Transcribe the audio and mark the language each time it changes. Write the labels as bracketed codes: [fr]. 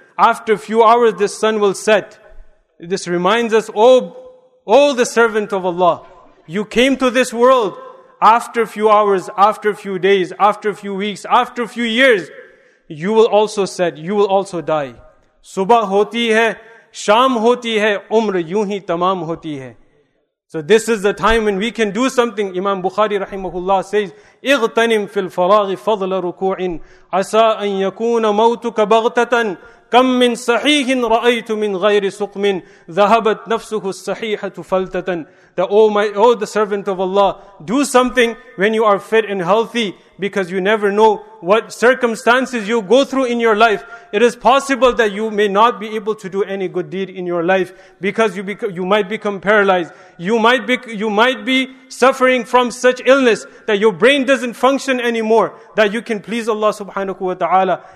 [en] After a few hours, the sun will set. This reminds us, oh, the servant of Allah, you came to this world after a few hours, after a few days, after a few weeks, after a few years, you will also set, you will also die. [ur] Subah hoti hai, sham hoti hai, umr yun hi tamam hoti hai. [en] So this is the time when we can do something. Imam Bukhari rahimahullah says, [ar] اغتنم في الفراغ فضل ركوع عسى أن يكون موتك بغتة كم من صحيح رأيت من غير سقم ذهبت نفسه الصحيحة فلتة. [en] That oh the servant of Allah, do something when you are fit and healthy, because you never know what circumstances you go through in your life. It is possible that you may not be able to do any good deed in your life because you might become paralyzed. You might be suffering from such illness that your brain doesn't function anymore, that you can please Allah subhanahu wa ta'ala.